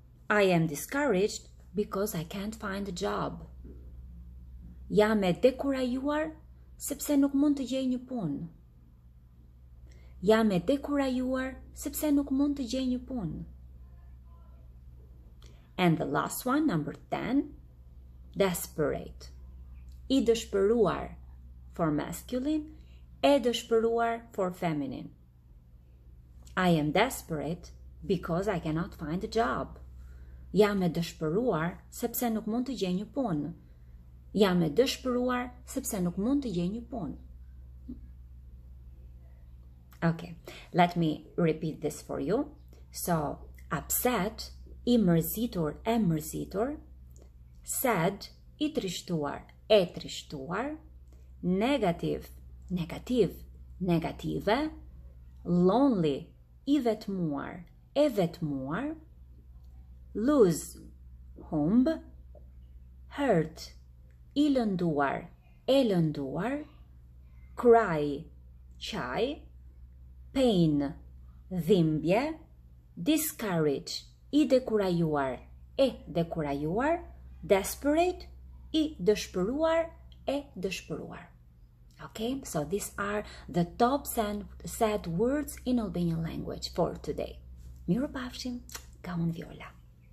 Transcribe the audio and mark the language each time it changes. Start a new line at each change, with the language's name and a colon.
English: I am discouraged because I can't find a job.
Albanian: Jam e dekurajuar sepse nuk mund të gjej një punë. Jam e dekurajuar sepse nuk mund të gjej një punë.
English: And the last one, number 10. Desperate.
Albanian: I dëshpëruar
English: for masculine,
Albanian: e dëshpëruar
English: for feminine. I am desperate because I cannot find a job.
Albanian: Jam e dëshpëruar sepse nuk mund të gjej një punë. Jam e dëshpëruar sepse nuk mund të gjej një punë.
English: Okay, let me repeat this for you. So, upset,
Albanian: I mërzitur, e mërzitur,
English: sad,
Albanian: i trishtuar, e trishtuar,
English: negative, negative, negative, lonely,
Albanian: i vetmuar, e vetmuar,
English: lose,
Albanian: humb,
English: hurt,
Albanian: i lënduar, e lënduar,
English: cry,
Albanian: qaj,
English: pain,
Albanian: dhimbje,
English: discourage,
Albanian: i dekurajuar, e dekurajuar,
English: desperate,
Albanian: i dëshpëruar, e dëshpëruar.
English: Okay, so these are the top 10 said words in Albanian language for today.
Albanian: Mirupafshim,
English: kamon Viola.